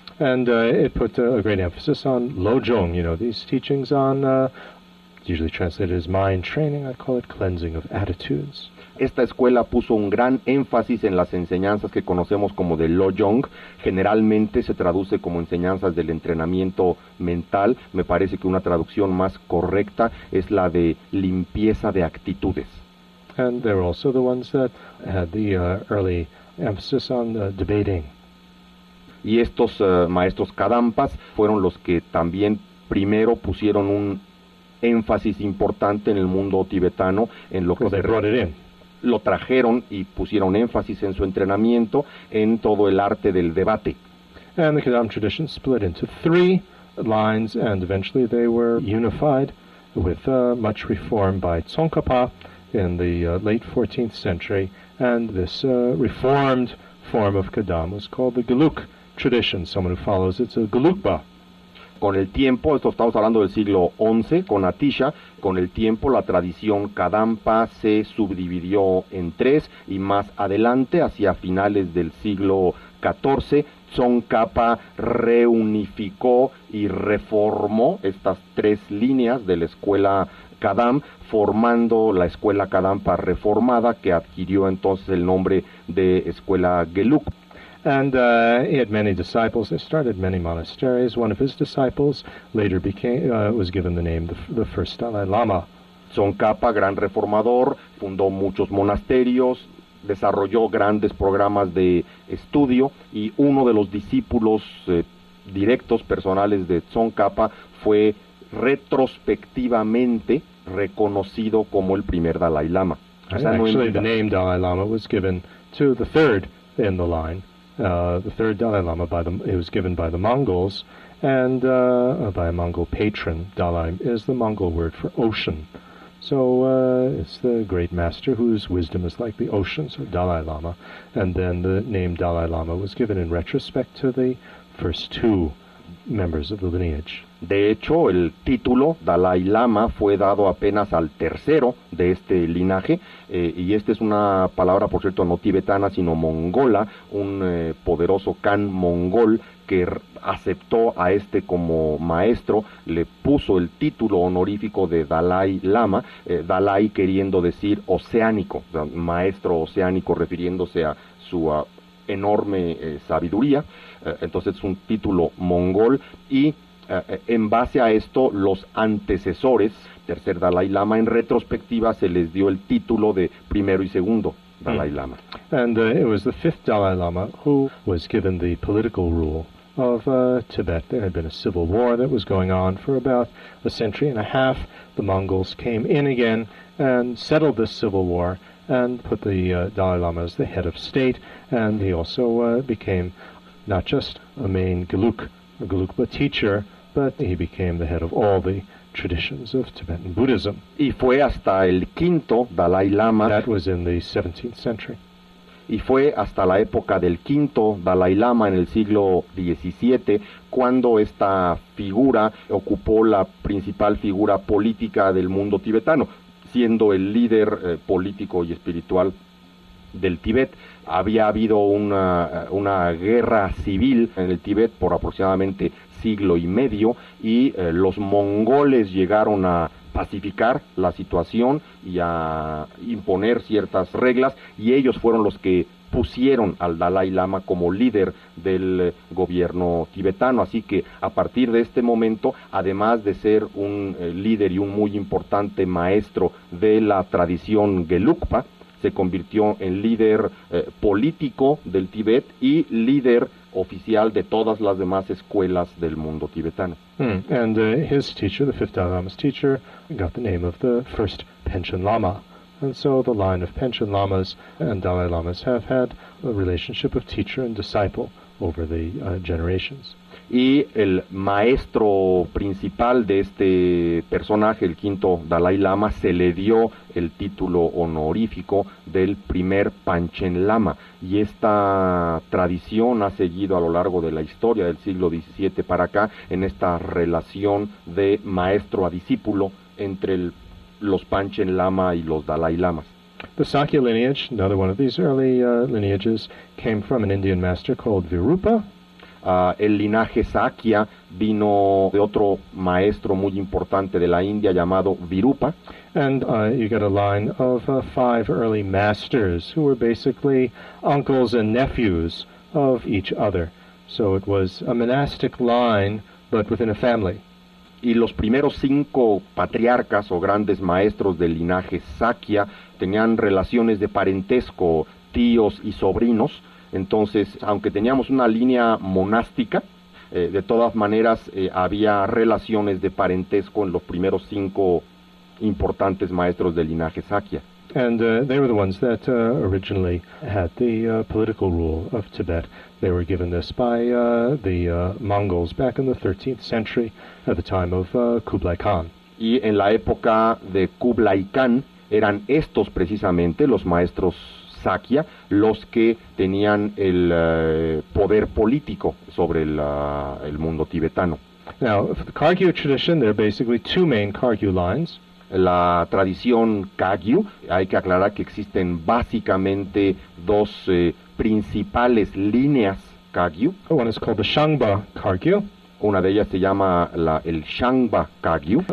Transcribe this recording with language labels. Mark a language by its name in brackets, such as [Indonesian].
[English] And it put a great emphasis on Lojong, these teachings on, usually translated as mind training, I call it cleansing of attitudes. [Spanish] Esta escuela puso un gran énfasis en las enseñanzas que conocemos como de Lojong. Generalmente se traduce como enseñanzas del entrenamiento mental. Me parece que una traducción más correcta es la de limpieza de actitudes. [English] And they're also the ones that had the early emphasis on debating. [Spanish] Y estos maestros Kadampas fueron los que también primero pusieron un énfasis importante en el mundo tibetano en lo que lo trajeron y pusieron énfasis en su entrenamiento en todo el arte del debate. [English] And the Kadam tradition split into three lines, and eventually they were unified with much reform by Tsongkhapa in the late 14th century, and this reformed form of Kadam was called the Geluk tradition. Someone who follows it's a Gelugpa. [Spanish] Con el tiempo, esto estamos hablando del siglo XI, con Atisha, con el tiempo la tradición Kadampa se subdividió en tres, y más adelante, hacia finales del siglo XIV, Tsongkhapa reunificó y reformó estas tres líneas de la escuela Kadam, formando la escuela Kadampa reformada, que adquirió entonces el nombre de escuela Geluk. [English] And he had many disciples. They started many monasteries. One of his disciples later became was given the name the first Dalai Lama. [Spanish] Tsongkhapa, gran reformador, fundó muchos monasterios, desarrolló grandes programas de estudio, y uno de los discípulos directos personales de Tsongkhapa fue retrospectivamente reconocido como el primer Dalai Lama. [English] Actually, the name Dalai Lama was given to the third in the line, the third Dalai Lama, it was given by the Mongols, and by a Mongol patron. Dalai is the Mongol word for ocean. So it's the great master whose wisdom is like the ocean, so Dalai Lama. And then the name Dalai Lama was given in retrospect to the first two members of the lineage. [Spanish] De hecho, el título Dalai Lama fue dado apenas al tercero de este linaje, y esta es una palabra, por cierto, no tibetana, sino mongola, un poderoso khan mongol que aceptó a este como maestro, le puso el título honorífico de Dalai Lama, Dalai queriendo decir oceánico, o sea, maestro oceánico, refiriéndose a su enorme sabiduría. Entonces es un título mongol, y en base a esto los antecesores, tercer Dalai Lama, en retrospectiva se les dio el título de primero y segundo Dalai Lama. [English] And it was the fifth Dalai Lama who was given the political rule of Tibet. There had been a civil war that was going on for about a century and a half. The Mongols came in again and settled this civil war and put the Dalai Lama as the head of state, and he also became not just a main Gelugpa teacher, but he became the head of all the traditions of Tibetan Buddhism. [Spanish] Y fue hasta el quinto Dalai Lama. [English] That was in the 17th century. [Spanish] Y fue hasta la época del quinto Dalai Lama en el siglo XVII cuando esta figura ocupó la principal figura política del mundo tibetano, siendo el líder político y espiritual del Tíbet. Había habido una guerra civil en el Tíbet por aproximadamente siglo y medio, y los mongoles llegaron a pacificar la situación y a imponer ciertas reglas, y ellos fueron los que pusieron al Dalai Lama como líder del gobierno tibetano. Así que a partir de este momento, además de ser un líder y un muy importante maestro de la tradición Gelugpa, se convirtió en líder político del Tíbet y líder oficial de todas las demás escuelas del mundo tibetano. [English] And his teacher, the fifth Dalai Lama's teacher, got the name of the first Panchen Lama. And so the line of Panchen Lamas and Dalai Lamas have had a relationship of teacher and disciple over the generations. [Spanish] Y el maestro principal de este personaje, el quinto Dalai Lama, se le dio el título honorífico del primer Panchen Lama. Y esta tradición ha seguido a lo largo de la historia del siglo XVII para acá, en esta relación de maestro a discípulo entre los Panchen Lama y los Dalai Lamas. [English] The Sakya lineage, another one of these early lineages, came from an Indian master called Virupa. [Spanish] El linaje Sakya vino de otro maestro muy importante de la India llamado Virupa. [English] And you get a line of five early masters who were basically uncles and nephews of each other. So it was a monastic line, but within a family. [Spanish] Y los primeros cinco patriarcas o grandes maestros del linaje Sakya tenían relaciones de parentesco, tíos y sobrinos. Entonces, aunque teníamos una línea monástica, de todas maneras había relaciones de parentesco en los primeros cinco importantes maestros del linaje Sakya. [English] And they were the ones that originally had the political rule of Tibet. They were given this by the Mongols back in the 13th century, at the time of Kublai Khan. [Spanish] Y en la época de Kublai Khan eran estos precisamente los maestros Sakya los que tenían el poder político sobre el mundo tibetano. [English] Now, for the Kagyu tradition, there are basically two main Kagyu lines. [Spanish] La tradición Kagyu, hay que aclarar que existen básicamente dos principales líneas Kagyu. [English] One is called the Shangba Kagyu. [Spanish] Una de ellas se llama el Shangba Kagyu,